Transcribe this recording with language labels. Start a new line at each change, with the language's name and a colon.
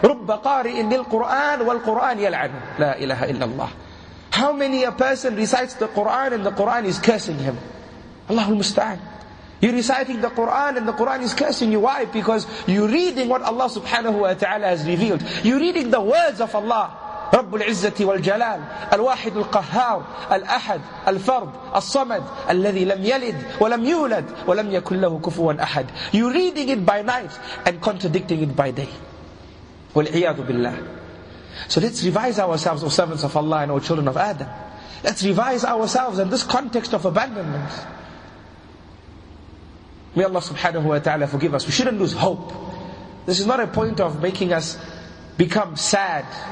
Arabic: رُبَّ قَارِئٍ لِلْقُرْآنِ وَالْقُرْآنِ يَلْعَنُ لَا إِلَهَ إِلَّا اللَّهِ.
English: How many a person recites the Quran and the Quran is cursing him? Allahu musta'an. You're reciting the Quran and the Quran is cursing you. Why? Because you're reading what Allah subhanahu wa ta'ala has revealed. You're reading the words of Allah.
Arabic: رب العزة والجلال الواحد القهار الأحد الفرد الصمد الذي لم يلد ولم يولد ولم يكن له كفوا أحد.
English: You're reading it by night and contradicting it by day.
Arabic: والعياذ بالله.
English: So let's revise ourselves, O servants of Allah and O children of Adam. Let's revise ourselves in this context of abandonment. May Allah subhanahu wa ta'ala forgive us. We shouldn't lose hope. This is not a point of making us become sad.